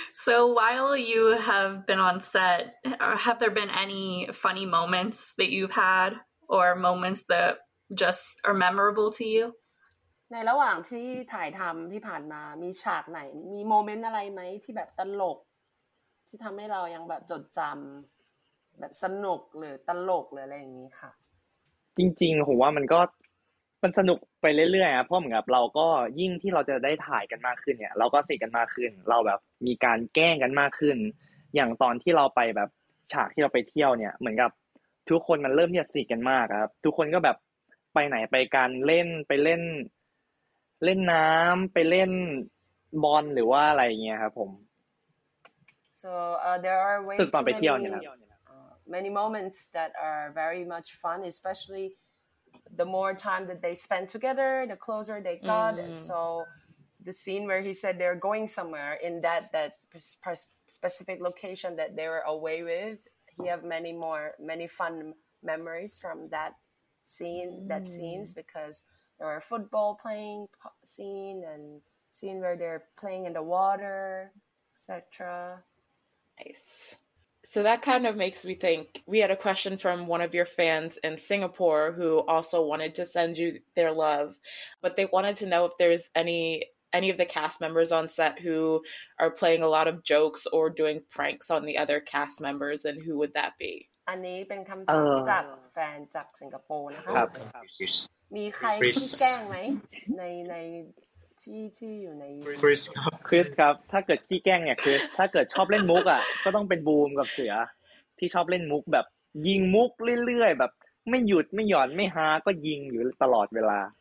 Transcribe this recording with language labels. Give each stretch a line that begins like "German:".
English: So while you have been on set, have there been any funny moments that you've had or moments that just are memorable to you?
Thai: ในระหว่างที่ถ่ายทำที่ผ่านมามีฉากไหนมีโมเมนต์อะไรไหมที่แบบตลกที่ทำให้เรายังแบบจดจำแบบสนุกหรือตลกหรืออะไรอย่างนี้ค่ะ จริงๆผมว่ามันก็มันสนุกไปเรื่อยๆครับเพราะเหมือนกับเราก็ยิ่งที่เราจะได้ถ่ายกันมากขึ้นเนี่ยเราก็สนิทกันมากขึ้นเราแบบมีการแกล้งกันมากขึ้นอย่างตอนที่เราไปแบบฉากที่เราไปเที่ยวเนี่ยเหมือนกับทุกคนมันเริ่มที่จะสนิทกันมากครับทุกคนก็แบบไปไหนไปกันเล่นไปเล่นน้ำไปเล่นบอลหรือว่าอะไรเงี้ยครับผม
English: so there are ways
Thai: ตอนไปเที่ยวเนี่ย
English: many moments that are very much fun especially the more time that they spend together the closer they got so the scene where he said they're going somewhere in that specific location that they were away with he have many fun memories from that scene that scenes because there are football playing scene and scene where they're playing in the water etc nice so that kind of makes me think we had a question from one of your fans in Singapore who also wanted to send you their love but they wanted to know if there's any of the cast members on set who are playing a lot of jokes or doing pranks on the other cast members and who would that be
Thai: อันนี้เป็นคำถามจากแฟนจากสิงคโปร์นะคะ ครับ มีใครที่แกล้งไหมในที่อยู่ใน คริสครับ คริสครับถ้าเกิดขี้แกล้งเนี่ยคริสถ้าเกิดชอบเล่นมุกอ่ะก็ต้องเป็นบูมกับเสือที่ชอบเล่นมุกแบบยิงมุกเรื่อยๆแบบไม่หยุดไม่หย่อนไม่ฮาก็ยิงอยู่ตลอดเวลา